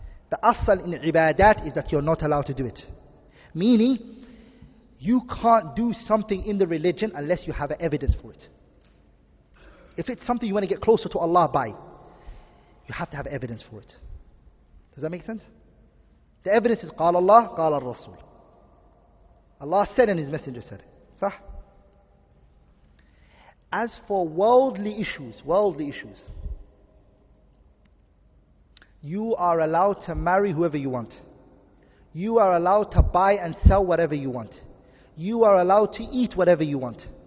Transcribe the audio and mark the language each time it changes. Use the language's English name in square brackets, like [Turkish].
[English] The asal in ibadat is that you're not allowed to do it. Meaning, You can't do something in the religion unless you have evidence for it. If it's something you want to get closer to Allah by, you have to have evidence for it. Does that make sense? [Arabic] The evidence is قال الله قال الرسول. [English] Allah said and His Messenger said. [Arabic] صح? [English] As for worldly issues, you are allowed to marry whoever you want. You are allowed to buy and sell whatever you want. You are allowed to eat whatever you want.